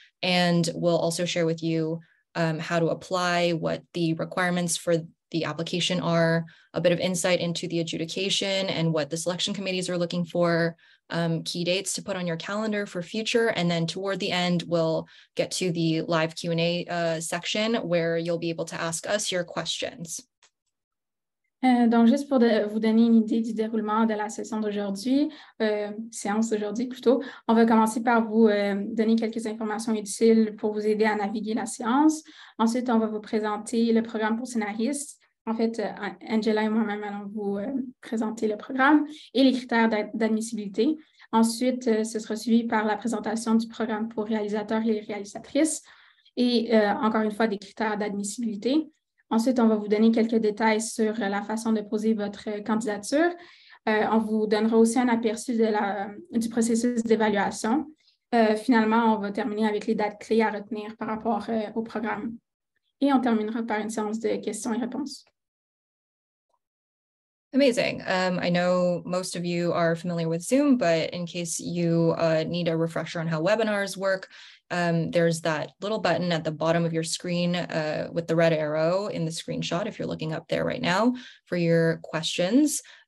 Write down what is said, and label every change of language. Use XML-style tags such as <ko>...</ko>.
<en>And we'll also share with you how to apply, what the requirements for the application are, a bit of insight into the adjudication and what the selection committees are looking for, key dates to put on your calendar for future. And then toward the end, we'll get to the live Q&A section where you'll be able to ask us your questions.</en> <fr>Donc, juste pour vous donner une idée du déroulement de la session d'aujourd'hui, séance d'aujourd'hui plutôt, on va commencer par vous donner quelques informations utiles pour vous aider à naviguer la séance. Ensuite, on va vous présenter le programme pour scénaristes. En fait, Angela et moi-même allons vous présenter le programme et les critères d'admissibilité. Ensuite, ce sera suivi par la présentation du programme pour réalisateurs et réalisatrices et encore une fois, des critères d'admissibilité. Ensuite, on va vous donner quelques détails sur la façon de poser votre candidature. On vous donnera aussi un aperçu du processus d'évaluation. Finalement, on va terminer avec les dates clés à retenir par rapport au programme. Et on terminera par une séance de questions et réponses.</fr> <en>Amazing. I know most of you are familiar with Zoom, but in case you need a refresher on how webinars work, there's that little button at the bottom of your screen with the red arrow in the screenshot, if you're looking up there right now, for your questions.</en>